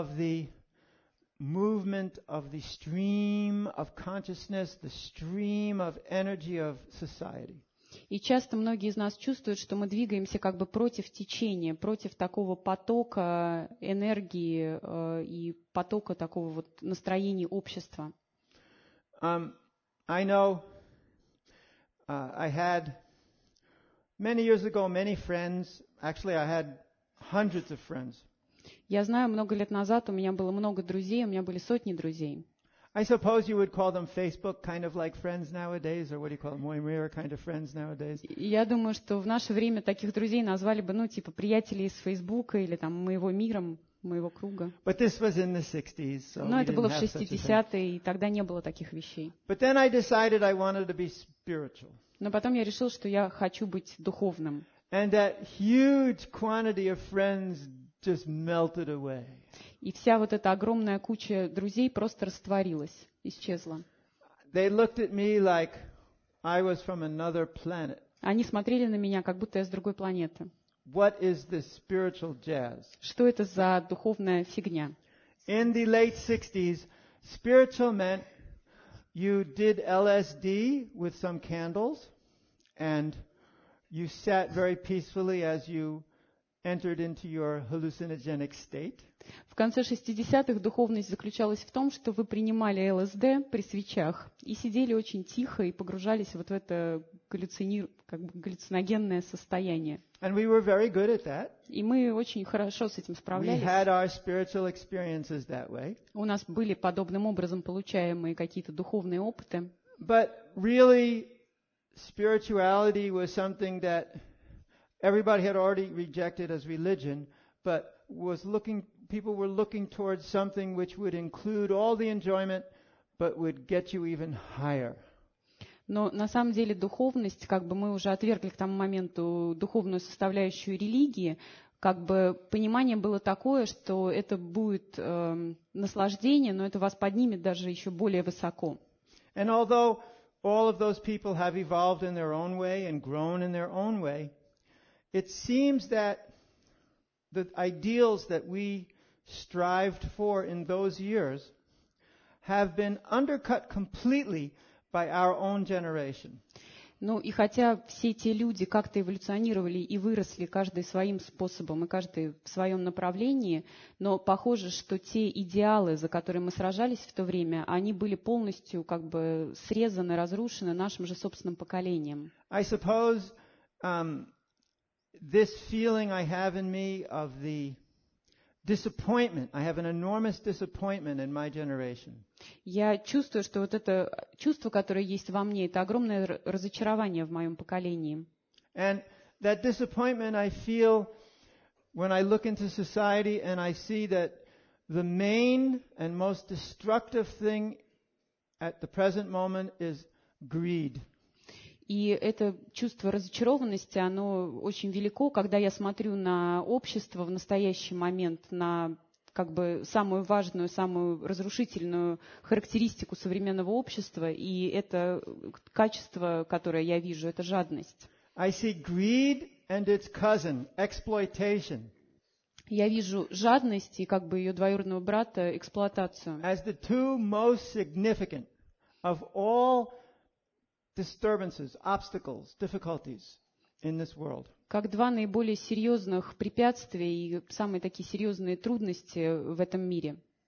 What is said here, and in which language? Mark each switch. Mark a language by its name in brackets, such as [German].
[Russian] восприимчивость, осознанность. И часто многие из нас чувствуют, что мы двигаемся как бы против течения, против такого потока энергии и потока такого вот настроения общества. [English] I know I had many years ago many friends. Actually, I had hundreds of friends. [Russian] Я знаю, много лет назад у меня было много друзей, у меня были сотни друзей. [English] I suppose you would call them Facebook kind of like friends nowadays, or what do you call them, Moimir kind of friends nowadays. [Russian] Я думаю, что в наше время таких друзей назвали бы, ну, типа приятели из Фейсбука или там моего мира, моего круга. [English] But this was in the 60s, so. [Russian] Но это было в 60-е, и тогда не было таких вещей. [English] But then I decided I wanted to be spiritual. [Russian] Но потом я решил, что я хочу быть духовным. [English] And that huge quantity of friends just melted away. [Russian] И вся вот эта огромная куча друзей просто растворилась, исчезла. [English] They looked at me like I was from another planet. [Russian] Они смотрели на меня, как будто я с другой планеты. [English] What is this spiritual jazz? [Russian] Что это за духовная фигня? [English] In the late 60s, spiritual meant you did LSD with some candles and you sat very peacefully as you entered into your hallucinogenic state. [Russian] В конце 60-х духовность заключалась в том, что вы принимали ЛСД при свечах и сидели очень тихо и погружались вот в это галлюциногенное состояние. [English] And we were very good at that. [Russian] И мы очень хорошо с этим справлялись. [English] We had our spiritual experiences that way. [Russian] У нас были подобным образом получаемые какие-то духовные опыты. [English] But really, spirituality was something that everybody had already rejected as religion, but was looking, people were looking towards something which would include all the enjoyment, but would get you even higher. [Russian] Но на самом деле духовность, как бы мы уже отвергли к тому моменту духовную составляющую религии, как бы понимание было такое, что это будет наслаждение, но это вас поднимет даже еще более высоко. [English] And although all of those people have evolved in their own way and grown in their own way, it seems that the ideals that we strived for in those years have been undercut completely by our own generation. [Russian] Ну и хотя все те люди как-то эволюционировали и выросли каждый своим способом и каждый в своем направлении, но похоже, что те идеалы, за которые мы сражались в то время, они были полностью как бы срезаны, разрушены нашим же собственным поколением. [English] I suppose this feeling I have in me of the disappointment. I have an enormous disappointment in my generation. [Russian] Я чувствую, что вот это чувство, которое есть во мне, это огромное разочарование в моем поколении. [English] And that disappointment I feel when I look into society and I see that the main and most destructive thing at the present moment is greed. [Russian] И это чувство разочарованности, оно очень велико, когда я смотрю на общество в настоящий момент, на как бы самую важную, самую разрушительную характеристику современного общества, и это качество, которое я вижу, это жадность. [English] I see greed and its cousin, exploitation. [Russian] Я вижу жадность и как бы ее двоюродного брата, эксплуатацию. [English] As the two most significant of all disturbances, obstacles, difficulties in this world. [Russian] Как два наиболее серьезных препятствия и самые такие серьезные трудности в этом мире.